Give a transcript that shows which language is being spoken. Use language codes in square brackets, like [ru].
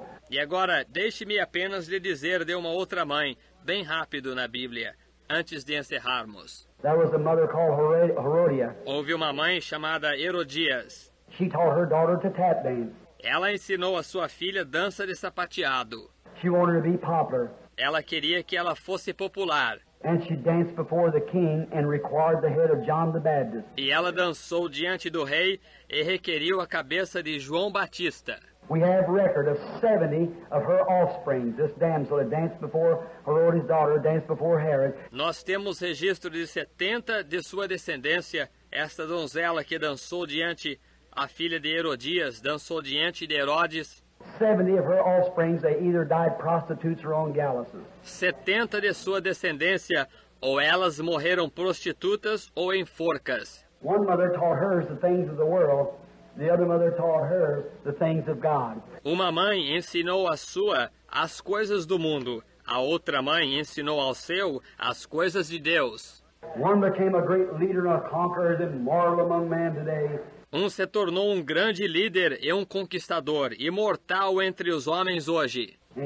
[pt] E agora, deixe-me apenas lhe dizer de uma outra mãe, bem rápido na Bíblia, antes de encerrarmos. [en] That was a mother called Herodias. [pt] Houve uma mãe chamada Herodias. [en] She taught her daughter to tap dance. [pt] Ela ensinou a sua filha dança de sapateado. [en] She wanted to be popular. [pt] Ela queria que ela fosse popular. [en] And she danced before the king and required the head of John the Baptist. [pt] E ela dançou diante do rei e requeriu a cabeça de João Batista. [en] We have record of 70 of her offspring. This damsel had danced before Herod's daughter, danced before Herod. [pt] Nós temos registro de 70 de sua descendência, esta donzela que dançou diante a filha de Herodias, dançou diante de Herodes. [en] 70 of her offspring, they either died prostitutes or on gallows. [pt] 70 de sua descendência, ou elas morreram prostitutas ou em forcas. [en] One mother taught hers the things of the world, the other mother taught her the things of God. [pt] Uma mãe ensinou a sua as coisas do mundo, a outra mãe ensinou ao seu as coisas de Deus. [en] One became a great leader and a conqueror and marvel among men today. [pt] Um se tornou um grande líder e um conquistador, imortal entre os homens hoje.